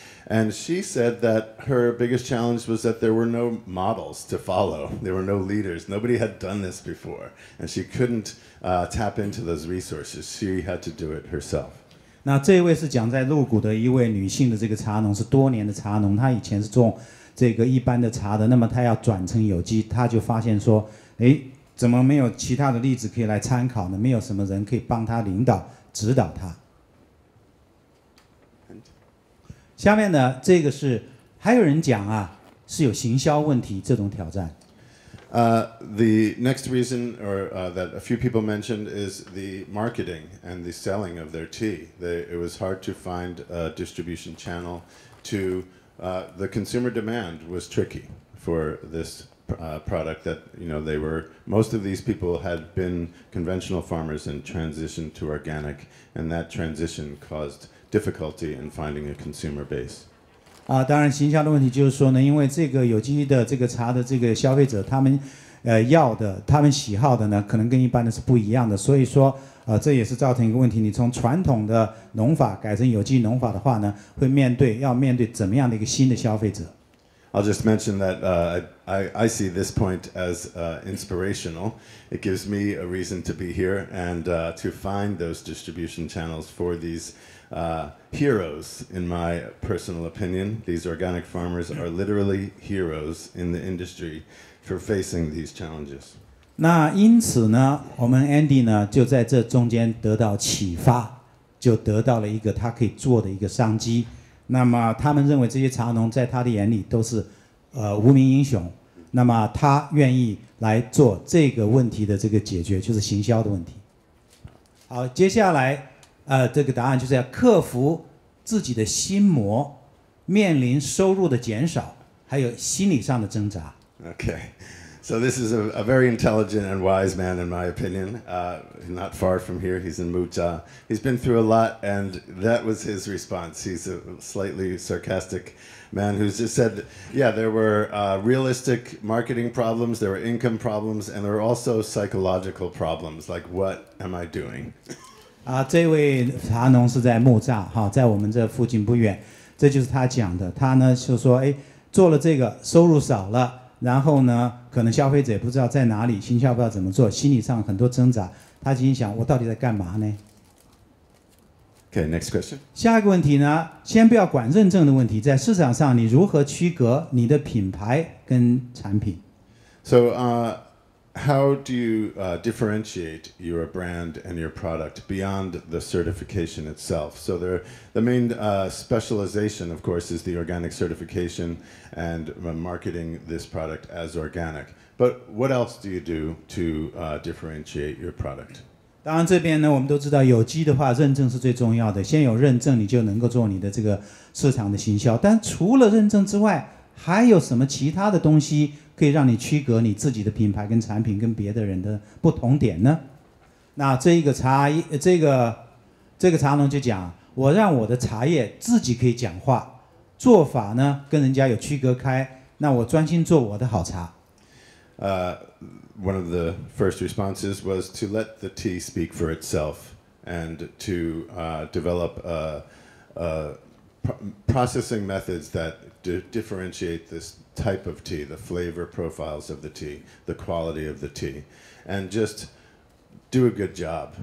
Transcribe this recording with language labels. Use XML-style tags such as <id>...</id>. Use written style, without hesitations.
<en>And she said that her biggest challenge was that there were no models to follow. There were no leaders. Nobody had done this before. And she couldn't tap into those resources. She had to do it herself.</en> <zh>那这位是讲在鹿谷的一位女性的这个茶农，是多年的茶农，她以前是种这个一般的茶的，那么她要转成有机，她就发现说，哎，怎么没有其他的例子可以来参考呢？没有什么人可以帮她领导指导她。下面呢，这个是还有人讲啊，是有行销问题这种挑战。</zh> <en>The next reason, or that a few people mentioned, is the marketing and the selling of their tea. It was hard to find a distribution channel to the consumer demand was tricky for this product that, you know, they were, most of these people had been conventional farmers and transitioned to organic, and that transition caused difficulty in finding a consumer base.</en> <zh>当然行销的问题就是说呢，因为这个有机的这个茶的这个消费者，他们要的，他们喜好的呢，可能跟一般的是不一样的，所以说这也是造成一个问题，你从传统的农法改成有机农法的话呢，会面对，要面对怎么样的一个新的消费者。</zh> <en>I'll just mention that I see this point as inspirational. It gives me a reason to be here and to find those distribution channels for theseheroes, in my personal opinion. These organic farmers are literally heroes in the industry for facing these challenges.</en> <zh>那因此呢，我们 Andy 呢，就在这中间得到启发，就得到了一个他可以做的一个商机。那么他们认为这些茶农在他的眼里都是无名英雄，那么他愿意来做这个问题的这个解决，就是行销的问题。好，接下来这个答案就是要克服自己的心魔，面临收入的减少，还有心理上的挣扎。</zh> <en>Okay, so this is a very intelligent and wise man, in my opinion. Not far from here, he's in Mucha. He's been through a lot, and that was his response. He's a slightly sarcastic man who's just said, yeah, there were realistic marketing problems, there were income problems, and there were also psychological problems, like what am I doing?</en> <zh>这位茶农是在木栅，哈，在我们这附近不远，这就是他讲的。他呢就说，哎，做了这个收入少了，然后呢，可能消费者也不知道在哪里，行销不知道怎么做，心理上很多挣扎。他心想，我到底在干嘛呢</zh> <en>？Okay, next question.</en> <zh>下一个问题呢，先不要管认证的问题，在市场上你如何区隔你的品牌跟产品</zh> <en>？So, How do you differentiate your brand and your product beyond the certification itself? So the main specialization, of course, is the organic certification and marketing this product as organic. But what else do you do to differentiate your product?</en> <zh>当然这边呢，我们都知道有机的话，认证是最重要的。先有认证，你就能够做你的这个市场的行销。但除了认证之外，还有什么其他的东西可以让你区隔你自己的品牌跟产品跟别的人的不同点呢？那这一个茶，这个茶农就讲，我让我的茶叶自己可以讲话，做法呢跟人家有区隔开，那我专心做我的好茶。</zh> <en>One of the first responses was to let the tea speak for itself and to develop a processing methods that differentiate this. Type of tea, the flavor profiles of the tea, the quality of the tea, and just do a good job.</en>